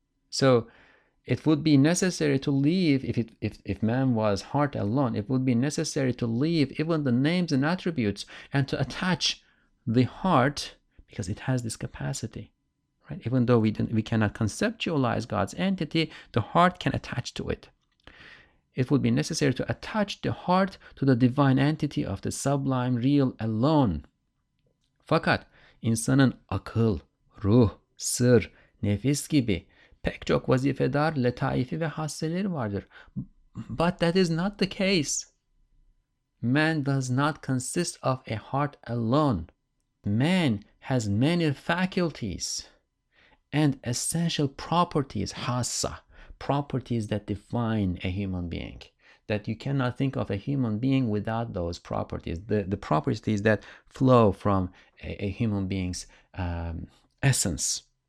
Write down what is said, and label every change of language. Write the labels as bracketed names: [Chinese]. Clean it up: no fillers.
[English] So it would be necessary to leave, if man was heart alone, it would be necessary to leave even the names and attributes and to attach the heart, because it has this capacity, Right? Even though we cannot conceptualize God's entity, the heart can attach to it. It would be necessary to attach the heart to the divine entity of the sublime real alone. [Turkish] Fakat insanın akıl, ruh, sır, nefis gibi pek çok vazifedar, letaifi ve hasseleri vardır. [English] But that is not the case. Man does not consist of a heart alone. Man has many faculties and essential properties, hassa, properties that define a human being. That you cannot think of a human being without those properties, the properties that flow from a human being's essence.